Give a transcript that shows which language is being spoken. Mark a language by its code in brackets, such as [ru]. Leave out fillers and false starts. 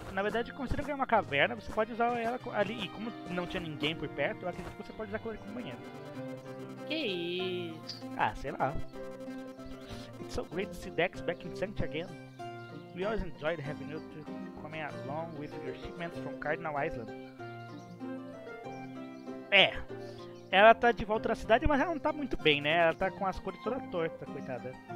[pt] Na verdade, considerando que é uma caverna, você pode usar ela ali. E como não tinha ninguém por perto, eu acredito que você pode usar ela como banheiro. Que isso? Ah, sei lá. [en] It's so great to see Dex back in Sanctuary again. We always enjoyed having you to come along with your shipments from Cardinal Island. [pt] É. Ela tá de volta na cidade, mas ela não tá muito bem, né? Ela tá com as cores toda torta, coitada.